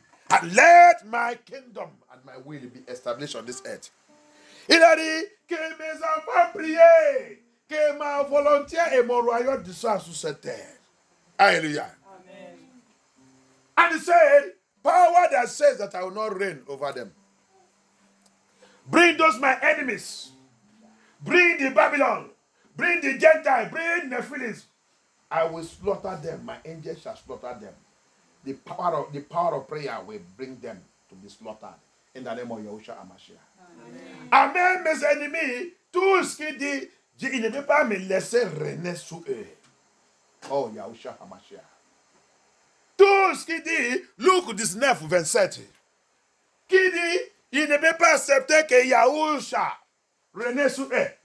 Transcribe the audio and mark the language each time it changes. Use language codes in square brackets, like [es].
[en] And let my kingdom and my will be established on this earth. [fr] Il a dit, que mes enfants prient, que ma volonté et mon royaume descendent sur cette terre. Alléluia. [en] And he said, power that says that I will not reign over them. Bring those my enemies. Bring the Babylon. Bring the Gentile. Bring the Phillies. I will slaughter them. My angels shall slaughter them. The power of prayer will bring them to be slaughtered in the name of Yahusha Amashiach. [fr] Amen, mes ennemis. Tout ce qui dit, il ne peut pas me laisser régner sous eux. Oh, Yahusha Amashiach. Tout ce qui dit, Luc 19, 27. qui dit il ne peut pas accepter que Yahusha renaît sous eux.